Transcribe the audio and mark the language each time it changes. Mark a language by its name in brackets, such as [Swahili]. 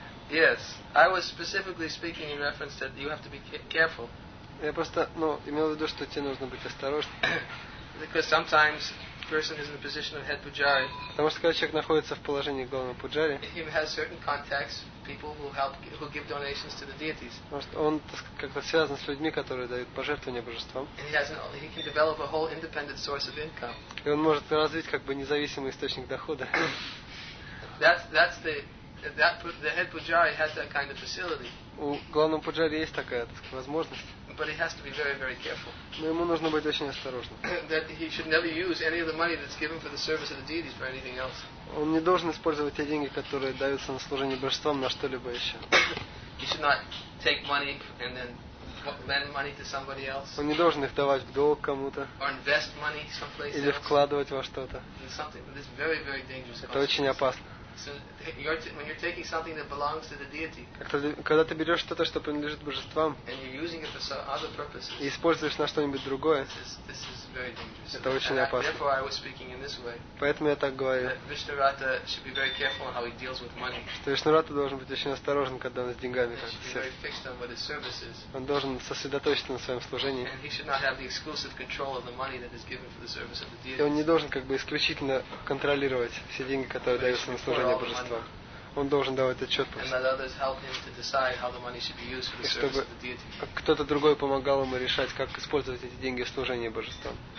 [English] Yes, I was specifically speaking in reference that you have to be careful. [Russian] Я просто, ну, имел в виду, что тебе нужно быть осторожным. [English] Because sometimes a person is in the position of head pujari. [Russian] Потому что когда человек находится в положении главного пуджари. [English] He has certain contacts, people who give donations to the deities. [Russian] Он как-то связан с людьми, которые дают пожертвования божествам. [English] And he can develop a whole independent source of income. [Russian] И он может развить как бы независимый источник дохода. [English] The head pujari has that kind of facility. [Russian] У главного пуджари есть такая, так сказать, возможность. [English] But he has to be very, very careful. [Russian] Но ему нужно быть очень осторожным. [English] That he should never use any of the money that's given for the service of the deities for anything else. [Russian] Он не должен использовать те деньги, которые даются на служение божествам, на что-либо еще. [English] He should not take money and then lend money to somebody else. [Russian] Он не должен их давать в долг кому-то. [English] Or invest money someplace else. [Russian] Или вкладывать во что-то. [English] In something that is very, very dangerous. [Russian] Это очень опасно. [English] So when you're taking something that belongs to the deity, [Russian] когда ты берешь что-то, что принадлежит божествам, [English] and you're using it for some other purposes, [Russian] и используешь на что-нибудь другое, [English] this is very dangerous. [Russian] Это очень опасно. [English] Therefore, I was speaking in this way. [Russian] Поэтому я так говорю. [English] That Vishnurata should be very careful how he deals with money. [Russian] Что Вишнурата должен быть очень осторожен, когда он с деньгами. [English] He should be very fixed on what his service is. [Russian] Он должен сосредоточиться на своем служении. [English] And he should not have the exclusive control of the money that is given for the service of the deity. [Russian] И он не должен как бы исключительно контролировать все деньги, которые даются на служение. Он должен давать отчет по всему. Чтобы кто-то другой помогал ему решать, как использовать эти деньги в служении божествам.